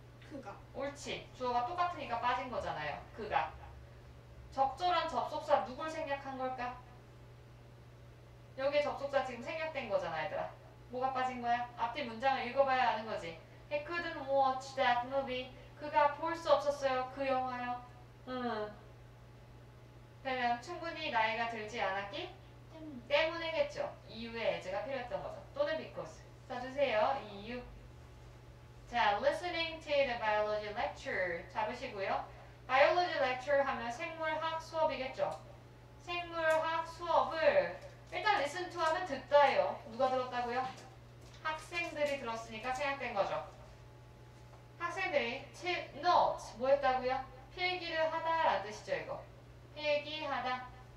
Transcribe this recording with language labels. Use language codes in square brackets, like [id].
[ko] 그가. 옳지. 주어가 똑같으니까 빠진 거잖아요. 그가. 적절한 접속사 누굴 생략한 걸까? 여기에 접속사 지금 생략된 거잖아, 얘들아. 뭐가 빠진 거야? 앞뒤 문장을 읽어봐야 아는 거지. [en] He couldn't watch that movie. [ko] 그가 볼 수 없었어요. 그 영화요. 그러면 충분히 나이가 들지 않았기 때문에겠죠. 이유의 as가 필요했던 거죠. 또는 because. 써주세요. 이유. [en] 자, listening to the biology lecture [ko] 잡으시고요. Biology lecture 하면 생물학 수업이겠죠. 생물학 수업을 일단 listen to 하면 듣다요. 누가 들었다고요? 학생들이 들었으니까 생략된 거죠. 학생들이 tip notes 뭐 했다고요? 필기를 하다 라는 뜻이죠, 이거. 필기하다.